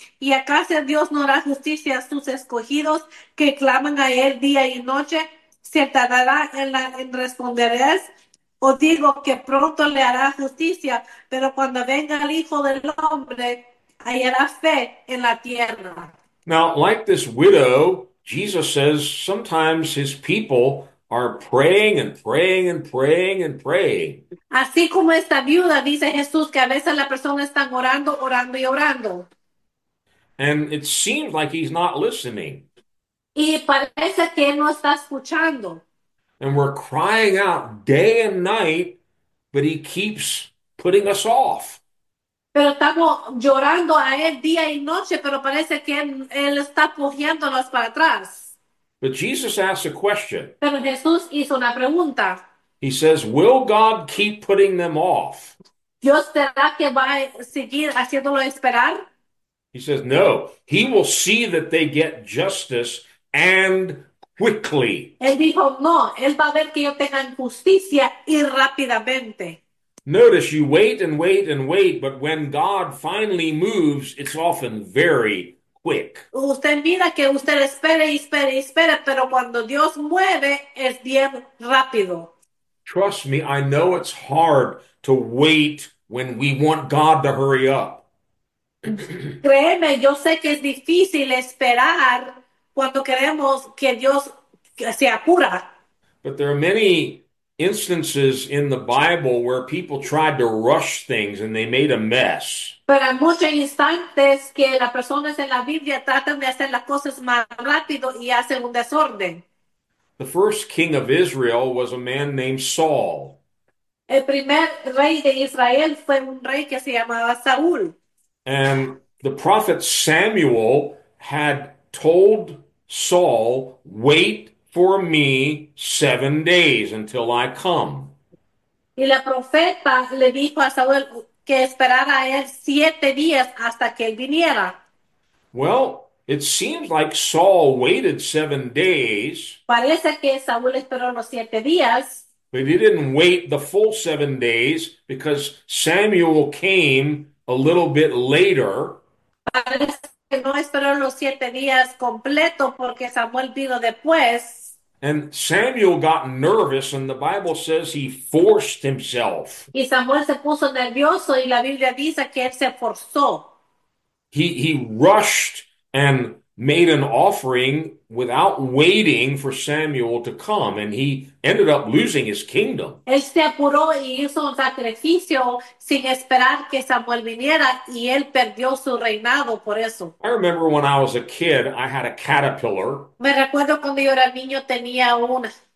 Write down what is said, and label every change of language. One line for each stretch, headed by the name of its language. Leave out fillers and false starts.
Spanish: ¿Y acaso Dios no hará justicia a sus escogidos que claman a él día y noche? ¿Se tardará en responderles? O digo que pronto le hará justicia, pero cuando venga el Hijo del Hombre, hallará fe en la tierra.
English: Now, like this widow, Jesus says sometimes his people are praying and praying and praying and praying.
Spanish: Así como esta viuda, dice Jesús, que a veces la persona está orando, orando y orando.
English: And it seems like he's not listening.
Spanish: Y parece que no está escuchando.
English: And we're crying out day and night, but he keeps putting us off.
Spanish: Pero estamos llorando a él día y noche, pero parece que él está cogiéndonos para atrás.
English: But Jesus asks a question.
Spanish: Pero Jesús hizo una pregunta.
English: He says, "Will God keep putting them off?"
Spanish: ¿Dios será que va a seguir haciéndolo esperar?
English: He says, "No, he will see that they get justice and quickly."
Spanish: Él dijo, no, él va a ver que yo tenga justicia y rápidamente.
English: Notice you wait and wait and wait, but when God finally moves, it's often very quick.
Spanish: Usted mira que usted espere y espere y espere, pero cuando Dios mueve es bien rápido.
English: Trust me, I know it's hard to wait when we want God to hurry up.
Spanish: Créeme, yo sé que es difícil esperar cuando queremos que Dios se apure.
English: But there are many instances in the Bible where people tried to rush things and they made a mess.
Spanish: Pero hay muchos instantes que las personas en la Biblia tratan de hacer las cosas más rápido y hacen un desorden.
English: The first king of Israel was a man named Saul.
Spanish: El primer rey de Israel fue un rey que se llamaba Saúl.
English: And the prophet Samuel had told Saul, "Wait for me 7 days until I come."
Spanish: Y la profeta le dijo a Saúl que esperara a él 7 días hasta que él viniera.
English: Well, it seems like Saul waited 7 days,
Spanish: Parece que Saúl esperó los 7 días.
English: but he didn't wait the full 7 days because Samuel came a little bit later.
Spanish: Parece que no esperó los 7 días completos porque Samuel vino después.
English: And Samuel got nervous, and the Bible says he forced himself.
Spanish: Y Samuel se puso nervioso y la Biblia dice que él se forzó.
English: He rushed and made an offering without waiting for Samuel to come, and he ended up losing his kingdom.
Spanish: Él se apuró y hizo un sacrificio sin esperar que Samuel viniera y él perdió su reinado por eso.
English: I remember when I was a kid, I had a caterpillar.
Spanish: Me recuerdo cuando yo era niño tenía una.